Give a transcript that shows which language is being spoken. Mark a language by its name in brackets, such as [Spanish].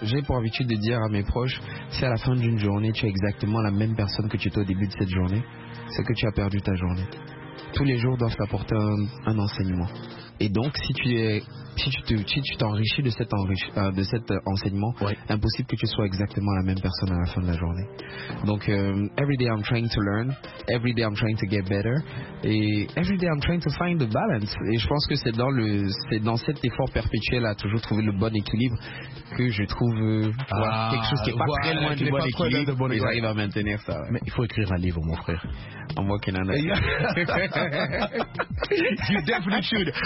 [French] J'ai pour habitude de dire à mes proches, si à la fin d'une journée, tu es exactement la même personne que tu étais au début de cette journée, c'est que tu as perdu ta journée. Tous les jours doivent t'apporter un enseignement. Et donc, si tu t'enrichis de cet enseignement, ouais. Impossible que tu sois exactement la même personne à la fin de la journée. Donc, [English] every day I'm trying to learn, every day I'm trying to get better, [French] et [English] every day I'm trying to find the balance. [French] Et je pense que c'est dans cet effort perpétuel à toujours trouver le bon équilibre que je trouve quelque chose qui n'est pas très loin du bon équilibre. Et j'arrive à maintenir ça. Ouais. Mais il faut écrire un livre, mon frère. En moi qui en a. [English] You definitely should.